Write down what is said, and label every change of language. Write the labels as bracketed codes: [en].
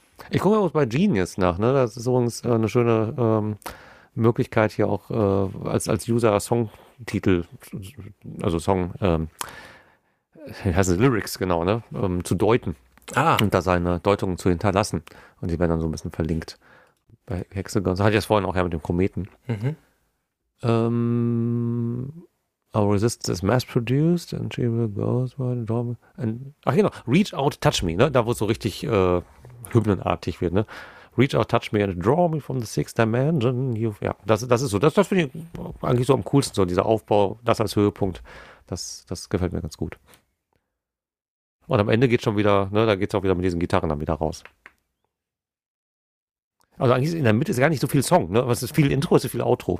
[de] Ich gucke mal bei Genius nach, ne? Das ist übrigens eine schöne Möglichkeit, hier auch als User Songtitel, also Song, heißt Lyrics, genau, ne? Zu deuten. Ah. Und da seine Deutungen zu hinterlassen. Und die werden dann so ein bisschen verlinkt. Bei Hexagons. Hatte ich das vorhin auch ja mit dem Kometen. [en] Our resistance is mass produced and she will go by the drum. [de] Ach, genau. [en] Reach out, touch me, [de] ne? Da, wo es so richtig hymnenartig wird, ne? [en] Reach out, touch me and draw me from the sixth dimension. [de] Das ist so. Das finde ich eigentlich so am coolsten, so dieser Aufbau, das als Höhepunkt. Das gefällt mir ganz gut. Und am Ende geht es schon wieder, ne? Da geht es auch wieder mit diesen Gitarren dann wieder raus. Also eigentlich in der Mitte ist gar nicht so viel Song, ne? Was ist viel Intro, ist viel Outro.